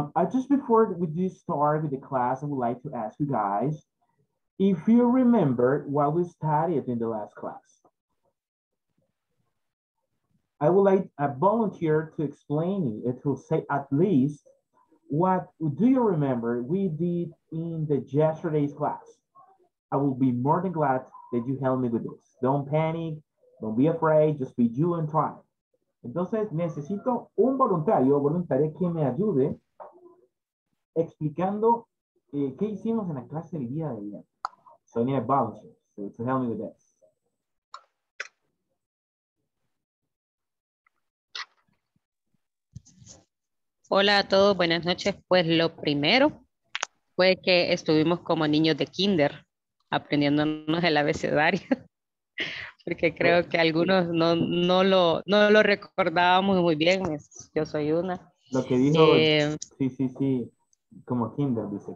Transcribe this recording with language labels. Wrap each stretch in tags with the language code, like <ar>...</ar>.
<en>Just before we do start with the class, I would like to ask you guys, if you remember what we studied in the last class, I would like a volunteer to explain it, and to say at least what do you remember we did in the yesterday's class. I will be more than glad that you help me with this. Don't panic, don't be afraid, just be you and try.</en> <es>Entonces, necesito un voluntario o voluntaria que me ayude explicando qué hicimos en la clase del día de ayer.</es> <en>So I need a volunteer to help me with this.</en> <es>Hola a todos, buenas noches. Pues lo primero fue que estuvimos como niños de kinder aprendiéndonos el abecedario. Porque creo que algunos no lo recordábamos muy bien. Yo soy una. Lo que dijo, sí. Como kinder, dice.</es>